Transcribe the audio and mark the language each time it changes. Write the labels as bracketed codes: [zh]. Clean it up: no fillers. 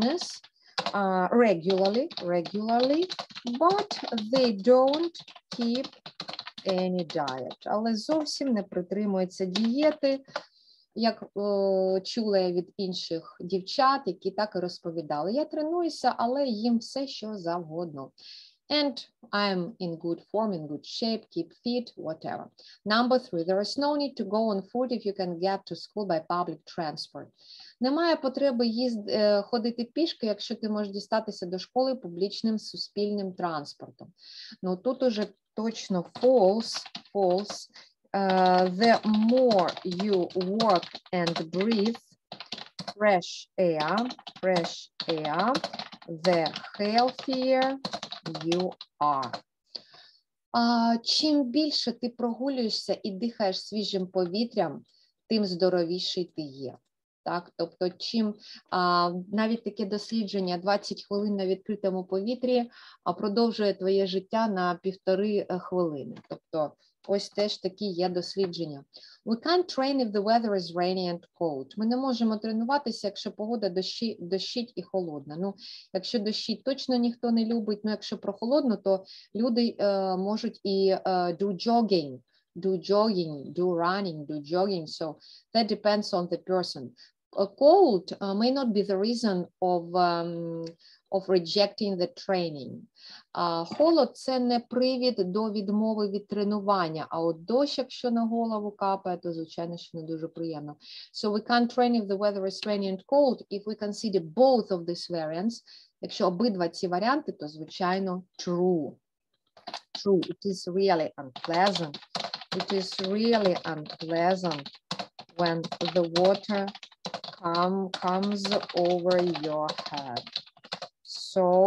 [en] Some people do fitness regularly, but they don't keep any diet. [uk] Але зовсім не притримуються дієти. Як чула я від інших дівчат, які так і розповідали. Я тренуюся, але їм все, що завгодно. [en] And I'm in good form, in good shape, keep fit, whatever. Number three, there is no need to go on foot if you can get to school by public transport. [uk] Немає потреби ходити пішки, якщо ти можеш дістатися до школи публічним суспільним транспортом. Ну, тут уже точно [en] false. The more you walk and breathe fresh air, the healthier you are. [uk] Чим більше ти прогулюєшся і дихаєш свіжим повітрям, тим здоровіший ти є. Так, тобто, чим навіть таке дослідження 20 хвилин на відкритому повітрі продовжує твоє життя на 1.5 хвилини. Тобто, ось теж такі є дослідження. [en] We can't train if the weather is rainy and cold. [uk] Ми не можемо тренуватися, якщо погода дощить і холодна. Ну, якщо дощить, точно ніхто не любить. Ну, якщо прохолодно, то люди можуть і [en] do jogging. So that depends on the person. A cold may not be the reason of rejecting the training. [uk] Холод – це не привід до відмови від тренування, а от дощ, якщо на голову капає, то, звичайно, що не дуже приємно. [en] So we can't train if the weather is rainy and cold. If we consider both of these variants, [uk] якщо обидва ці варіанти, то, звичайно, [en] true. It is really unpleasant when the water comes over your head. So,